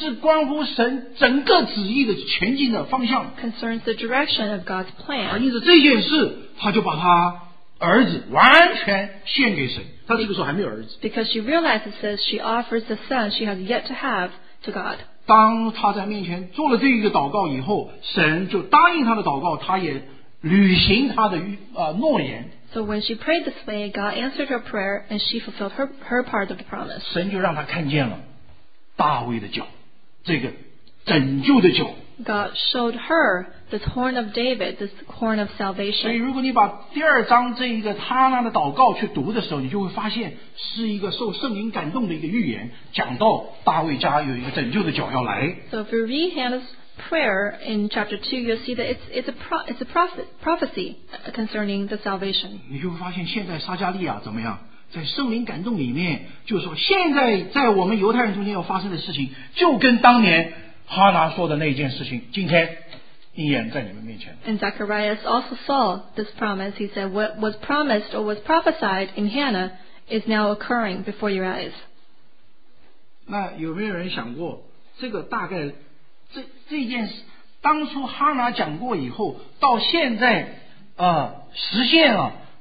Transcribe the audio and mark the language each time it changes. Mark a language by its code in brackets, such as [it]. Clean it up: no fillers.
[zh] 是关乎神整个旨意的前进的方向。 [en] Concerns the direction of God's plan. [zh] 因此这件事他就把他儿子完全献给神，他这个时候还没有儿子。 [en] Because she realizes this, she offers the son she has yet to have to God. [zh] 当他在面前做了这一个祷告以后，神就答应他的祷告，他也履行他的诺言。 [en] So when she prayed this way, God answered her prayer and she fulfilled her part of the promise. [zh] 神就让他看见了大卫的脚，这个拯救的脚。 [en] God showed her this horn of David, this horn of salvation. [zh] 所以如果你把第二章这一个哈拿的祷告去读的时候，你就会发现是一个受圣灵感动的一个预言，讲到大卫家有一个拯救的脚要来。 [en] So if you read Hannah's prayer in chapter 2, you'll see that it's a prophecy concerning the salvation. [zh] 你就会发现现在撒加利亚怎么样，在圣灵感动里面，就是说现在在我们犹太人中间要发生的事情，就跟当年哈拿说的那件事情今天 [en] And Zacharias also saw this promise. He said, what was promised or was prophesied in Hannah is now occurring before your eyes. [zh] 那有没有人想过, 这个大概, 这件事, 当初哈拿讲过以后, 到现在, 实现了,